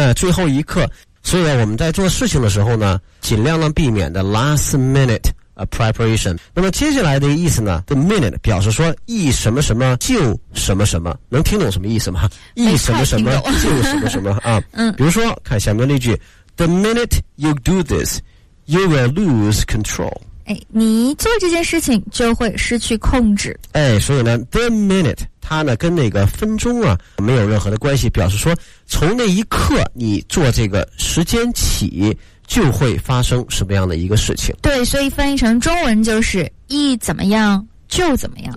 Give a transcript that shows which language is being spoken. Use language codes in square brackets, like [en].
[zh] 最后一刻。所以我们在做事情的时候呢，尽量呢避免的 last minute preparation。那么接下来的意思呢， the minute 表示说一什么什么就什么什么，能听懂什么意思吗？一什么什么就什么什么比如说看下面的例句， [en] The minute you do this, you will lose control. [zh] 哎，你做这件事情就会失去控制。哎，所以呢 ，the minute 它呢跟那个分钟啊没有任何的关系，表示说从那一刻你做这个时间起就会发生什么样的一个事情。对，所以翻译成中文就是一怎么样就怎么样。